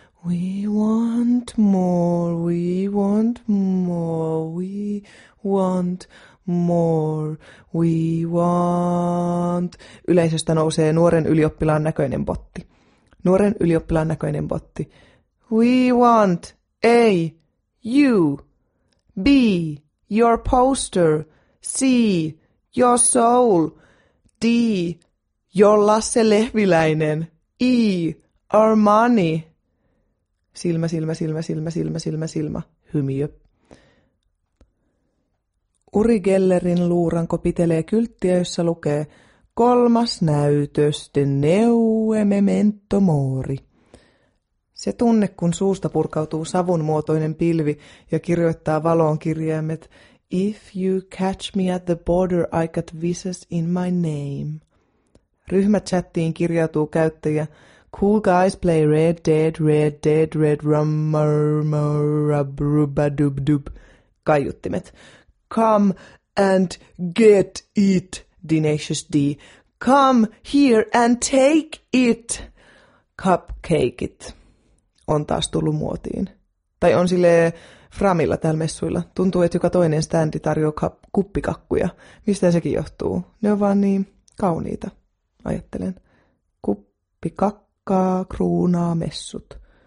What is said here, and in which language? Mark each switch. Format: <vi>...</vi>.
<en>We want more, we want more, we want more, we want.</en> <fi>Yleisöstä nousee nuoren ylioppilaan näköinen botti. Nuoren ylioppilaan näköinen botti.</fi> <en>We want A, you, B, your poster, C, your soul, D, your Lasse Lehviläinen, E, our money.</en> <fi>Silmä, silmä, silmä, silmä, silmä, silmä, silmä, hymiö. Uri Gellerin luuranko pitelee kylttiä, jossa lukee kolmas näytös, de neue memento mori. Se tunne, kun suusta purkautuu savun muotoinen pilvi ja kirjoittaa valoon kirjaimet</fi> <en>If you catch me at the border, I got visas in my name.</en> <fi>Ryhmächattiin kirjautuu käyttäjä</fi> <en>Cool guys play red, dead, red, dead, red, rum, mur, mur, rub, rub, dub, dub.</en> <fi>Kaiuttimet.</fi> <en>Come and get it, Denacious D. Come here and take it, cupcake it.</en> <fi>On taas tullut muotiin. Tai on silleen framilla täällä messuilla. Tuntuu, että joka toinen standi tarjoaa kuppikakkuja. Mistä sekin johtuu? Ne on vaan niin kauniita, ajattelen. Kuppikakkaa, kruunaa, messut.</fi>